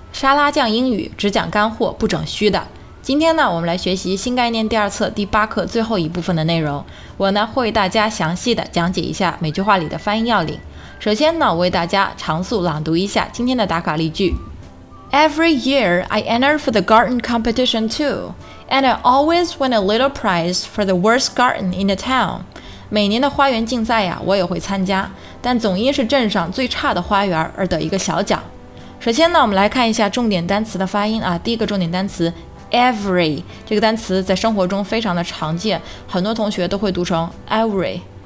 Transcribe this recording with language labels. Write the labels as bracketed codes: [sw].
[zh] 沙拉酱英语只讲干货，不整虚的。今天呢，我们来学习新概念第二册第八课最后一部分的内容。我呢会为大家详细的讲解一下每句话里的发音要领。首先呢，我为大家长速朗读一下今天的打卡例句。 [en] Every year I enter for the garden competition too, and I always win a little prize for the worst garden in the town. [zh] 每年的花园竞赛呀，我也会参加，但总因是镇上最差的花园而得一个小奖。首先呢，我们来看一下重点单词的发音啊。第一个重点单词 every， 这个单词在生活中非常的常见，很多同学都会读成 every。